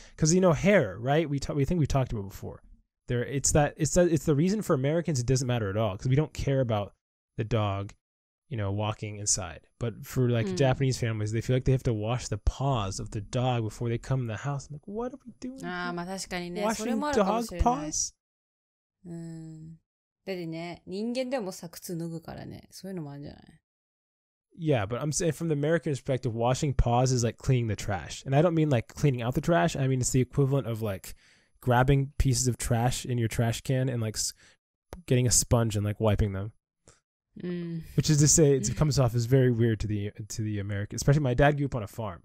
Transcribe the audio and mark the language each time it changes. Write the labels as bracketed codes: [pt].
[en] Because, you know, hair, right? We talked about it before. It's the reason for Americans it doesn't matter at all, because we don't care about the dog, you know, walking inside. But for like Japanese families, they feel like they have to wash the paws of the dog before they come in the house. I'm like, what are we doing? [ja] Ah, ma, tashikani ne. [en] Washing dog paws? [ja] だってね、人間でもさ、靴脱ぐからね、そういうのもあるんじゃない。 [en] Yeah, but I'm saying from the American perspective, washing paws is like cleaning the trash. And I don't mean like cleaning out the trash. I mean, it's the equivalent of like grabbing pieces of trash in your trash can and like getting a sponge and like wiping them. Which is to say, it comes off as very weird to the American, especially my dad grew up on a farm.